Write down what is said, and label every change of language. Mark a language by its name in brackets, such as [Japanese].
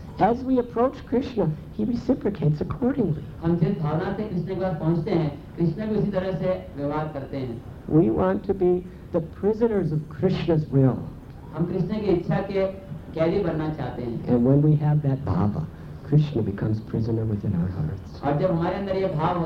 [English] As we approach Krishna, he reciprocates accordingly. [Hindi] हम जिस भावना से कृष्ण के पास पहुंचते हैं, कृष्ण भी उसी तरह से व्यवहार करते हैं। [English] We want to be the prisoners of Krishna's will. [Hindi] हम कृष्ण की इच्छा के कैदी बनना चाहते हैं। [English] And when we have that bhava, Krishna becomes prisoner within our hearts.